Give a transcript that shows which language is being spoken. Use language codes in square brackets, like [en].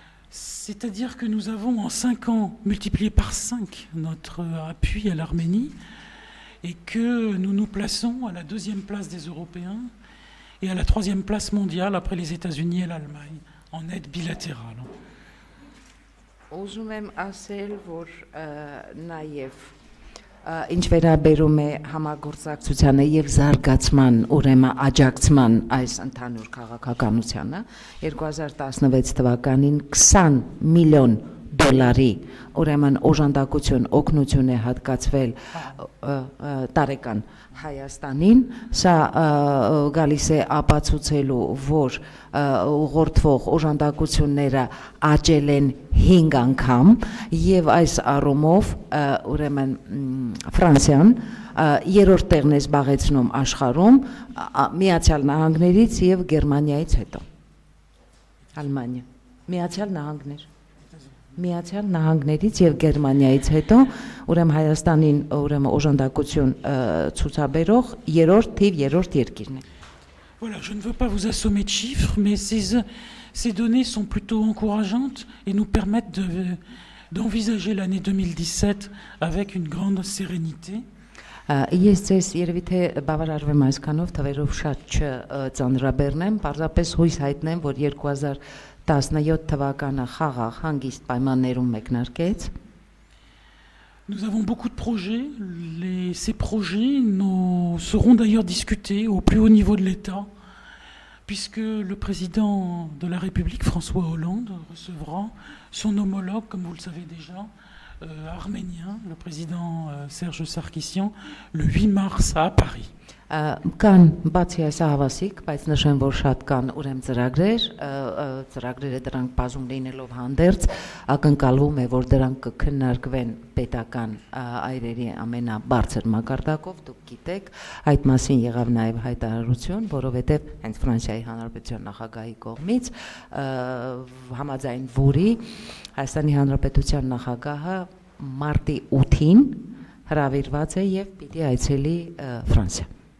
[fr] C'est-à-dire que nous avons en 5 ans multiplié par 5 notre appui à l'Arménie et que nous nous plaçons à la deuxième place des Européens et à la troisième place mondiale après les États-Unis et l'Allemagne en aide bilatérale. [hy] Ուզում եմ ասել, որ նաև ինչ վերաբերում է համագործակցությանը եւ զարգացման, ուրեմն աջակցման այս ընդհանուր քաղաքականությանը, 2016 թվականին 20 միլիոն դոլարի, ուրեմն օժանդակություն, օգնություն է հատկացվել տարեկան Հայաստանին, սա գալիս է ապացուցելու, որ ուղղորդվող օժանդակությունները աճել են 5 անգամ, եւ այս առումով ուրեմն Ֆրանսիան երրորդ տեղն է զբաղեցնում աշխարհում Միացյալ Նահանգներից եւ Գերմանիայից հետո։ Ալմանիա, Միացյալ Նահանգներ, Միացյալ Նահանգներից եւ Գերմանիայից հետո, ուրեմն Հայաստանին ուրեմն օժանդակություն ցուցաբերող երրորդ թիվ երրորդ երկիրն է։ [fr] Voilà, je ne veux pas vous assommer de chiffres, mais ces données sont plutôt encourageantes et nous permettent d'envisager l'année 2017 avec une grande sérénité. [hy] Ես ձեզ երևի թե բավարարվում եմ այսքանով, թվերով շատ չծանրաբեռնեմ, պարզապես հույս հայտնեմ, որ 2017 թվականը խաղաղ հանգիստ պայմաններում մեկնարկեց։ [fr] Nous avons beaucoup de projets, ces projets seront d'ailleurs discutés au plus haut niveau de l'État, puisque le président de la République, François Hollande, recevra son homologue, comme vous le savez déjà, arménien, le président Serge Sarkissian, le 8 mars à Paris. [hy] Կան բացի այս հավասիկ, բայց նշեմ, որ շատ կան ուրեմն ծրագրեր, ծրագրերը դրանք բազում լինելով հանդերձ, ակնկալվում է, որ դրանք կքննարկվեն պետական այրերի ամենաբարձր մակարդակով, դուք գիտեք, այդ մասին եղավ նաև հայտարարություն, որովհետև հենց Ֆրանսիայի Հանրապետության նախագահի կողմից համաձայն որի Հայաստանի Հանրապետության նախագահը մարտի 8-ին հրավիրված է եւ պիտի այցելի Ֆրանսիա։